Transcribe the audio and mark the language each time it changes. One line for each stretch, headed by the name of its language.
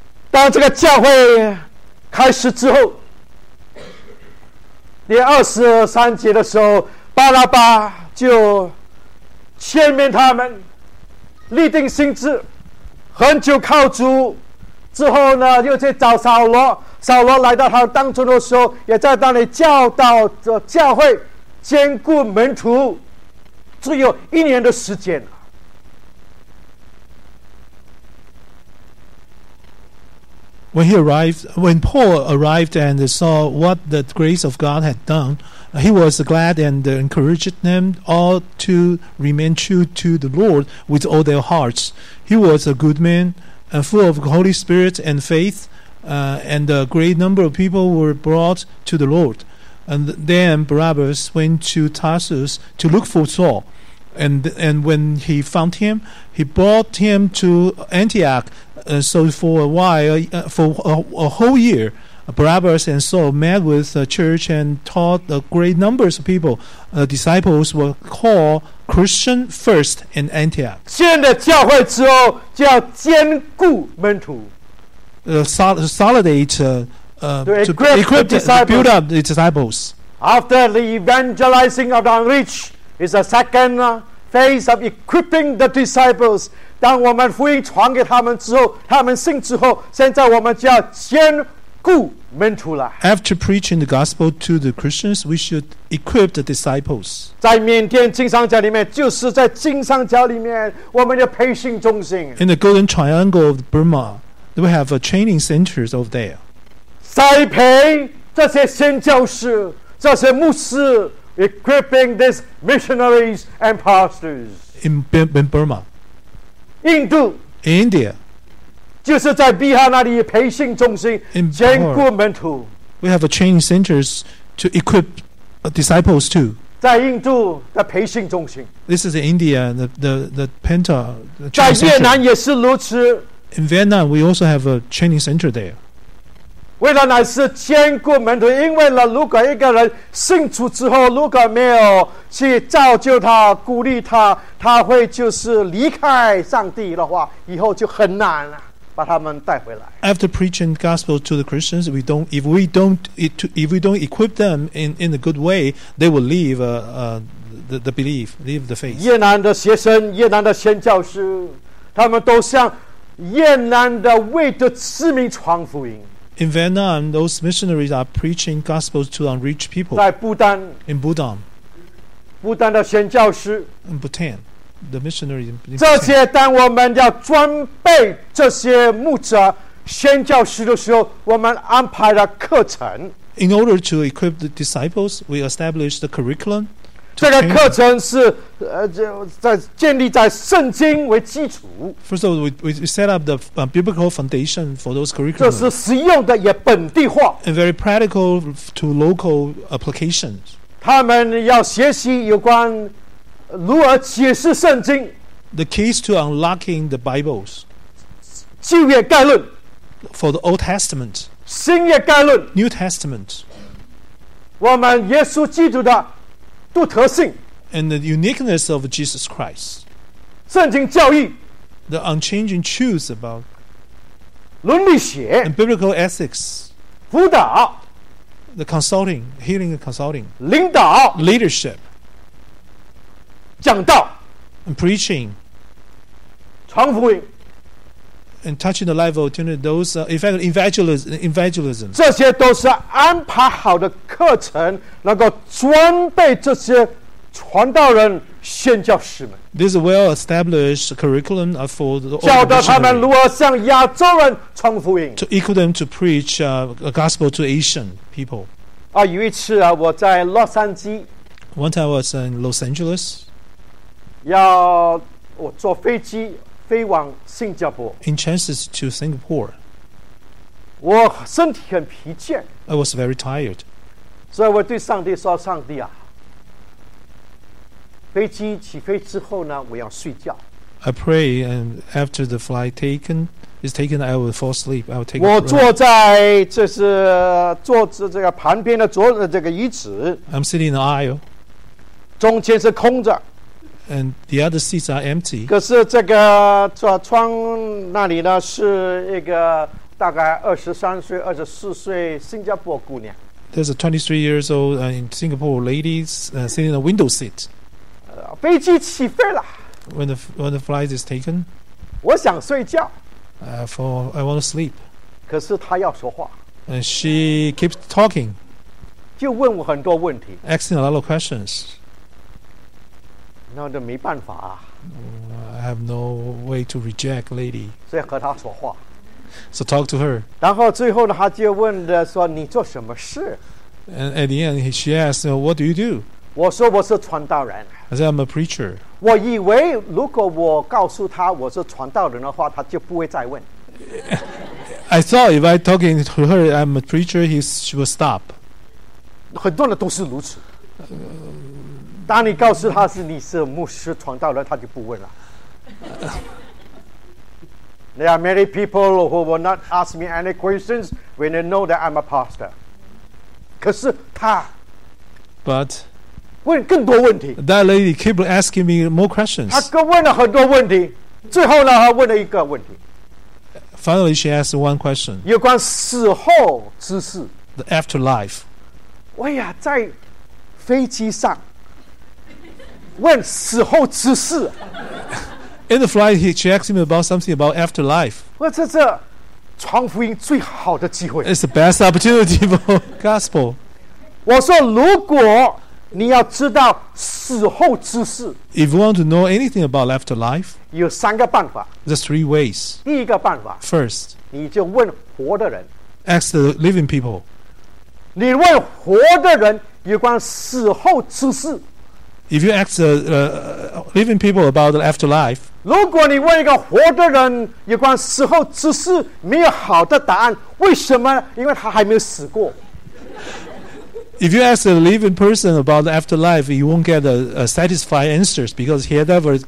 Chinese: 当这个教会开始之后，第二十三节的时候，巴拉巴就劝勉他们立定心志，恒久靠主。之后呢，又去找扫罗。扫罗来到他当中的时候，也在那里教导着教会，兼顾门徒，只有一年的时间。
English: When he arrived, when Paul arrived and saw what the grace of God had done, he was glad and encouraged them all to remain true to the Lord with all their hearts. He was a good man, full of Holy Spirit and faith, and a great number of people were brought to the Lord. And then Barabbas went to Tarsus to look for Saul. And when he found him, he brought him to Antioch. So for a while, for a whole year, Barabbas and Saul met with the church and taught a great numbers of people. Disciples were called Christian first in Antioch.
Chinese: 建了教会之后，就要坚固门徒。
English: To equip the build up the disciples. After the evangelizing of the unreached is the second. Phase of equipping the disciples.
Chinese: 当我们福音传给他们之后，他们信之后，现在我们就要兼雇门徒了。
English: After preaching the gospel to the Christians, we should equip the disciples.
Chinese: 在缅甸金三角里面，就是在金三角里面，我们的培训中心。
English: In the Golden Triangle of Burma, we have a training centers over there.
Chinese: 栽培这些宣教士，这些牧师。
English: Equipping these missionaries and pastors in Burma,
Chinese: 印度
English: India,
Chinese: 就是在比哈那里培训中心兼顾门徒
English: We have a training centers to equip disciples too.
Chinese: 在印度的培训中心
English: This is in India, the Penta.
Chinese: 在越南也是如此
English: In Vietnam, we also have a training center there.
Chinese: 为了乃是兼顾门徒，因为呢，如果一个人信主之后，如果没有去造就他、鼓励他，他会就是离开上帝的话，以后就很难了把他们带回来。
English: After preaching gospel to the Christians, if we don't equip them in a good way, they will leave the belief, leave the faith.
Chinese: 越南的学生、越南的宣教师，他们都向越南的未得之民传福音。
English: In Vietnam, those missionaries are preaching gospels to unreached people.
Chinese: 在不丹
English: In Bhutan.
Chinese: 不丹的宣教师
English: In Bhutan. The missionaries in Bhutan.
Chinese: 这些当我们要装备这些牧者宣教师的时候我们安排了课程
English: In order to equip the disciples, we established the curriculum.
Chinese: 这个课程是在建立在圣经为基础
English: First of all, we set up the biblical foundation for those curriculum
Chinese: 这是实用的也本地化
English: And very practical to local applications
Chinese: 他们要学习有关如何解释圣经
English: The keys to unlocking the Bibles
Chinese: 旧约概论
English: For the Old Testament
Chinese: 新约概论
English: New Testament
Chinese: 我们耶稣基督的独特性
English: and the uniqueness of Jesus Christ
Chinese: 圣经教义
English: the unchanging truths about
Chinese: 伦理学
English: and biblical ethics
Chinese: 辅导
English: the consulting healing and consulting
Chinese: 领导
English: leadership
Chinese: 讲道
English: and preaching
Chinese: 传福音
English: and touching the life of those evangelism
Chinese: 这些都是安排好的课程能够装备这些传道人、宣教士们。
English: This is a well-established curriculum for the old missionary.
Chinese: 教导他们如何向亚洲人传福音。
English: To equip them to preach a gospel to Asian people.
Chinese: 啊，有一次啊，我在洛杉矶。
English: One time I was in Los Angeles.
Chinese: 要我坐飞机飞往新加坡。
English: In chances to Singapore.
Chinese: 我身体很疲倦。
English: I was very tired.
Chinese: 所以我对上帝说：“上帝啊，飞机起飞之后呢，我要睡觉。”
English: I pray and after the flight taken is taken, I will fall asleep. I will take.
Chinese: 我坐在这是坐在这个旁边的桌子这个椅子。
English: I'm sitting in the aisle.
Chinese: 中间是空着。
English: And the other seats are empty.
Chinese: 可是这个窗那里呢，是一个大概23岁、24岁新加坡姑娘。
English: There's a 23 years old in Singapore lady sitting in a window seat.
Chinese: 飞机起飞了。
English: When the flight is taken.
Chinese: 我想睡觉。
English: I want to sleep.
Chinese: 可是她要说话。
English: And she keeps talking.
Chinese: 就问我很多问题。
English: Asking a lot of questions.
Chinese: 那就没办法啊。
English: I have no way to reject lady.
Chinese: 所以和她说话。
English: So talk to her.
Chinese: 然后最后呢，他就问的说：“你做什么事？”
English: And at the end, she asked, "What do you do?"
Chinese: 我说：“我是传道人。”
English: I said, "I'm a preacher."
Chinese: 我以为如果我告诉他我是传道人的话，他就不会再问。
English: I thought if I talking to her, I'm a preacher, she will stop.
Chinese: 很多人都是如此。当你告诉他是你是牧师传道人，他就不问了。
English: There are many people who will not ask me any questions when they know that I'm a pastor.
Chinese: 可是他
English: But
Chinese: 问更多问题
English: That lady keep asking me more questions.
Chinese: 他问了很多问题最后呢他问了一个问题
English: Finally, she asked one question.
Chinese: 有关死后之事
English: The afterlife.
Chinese: 哎呀在飞机上问死后之事
English: In the flight, she asked him about something about afterlife.
Chinese: 我这传福音最好的机会。
English: It's the best opportunity for gospel.
Chinese: 我说，如果你要知道死后之事
English: ，If you want to know anything about after life，
Chinese: 有三个办法。
English: There's three ways.
Chinese: 第一个办法
English: ，First，
Chinese: 你就问活的人
English: ，Ask the living people。
Chinese: 你问活的人有关死后之事。
English: If you ask living people about the afterlife,
Chinese: 如果你问一个活的人有关死后之事，没有好的答案，为什么？因为他还没有死过。
English: If you ask a living person about the afterlife, you won't get a satisfying answers because he had never.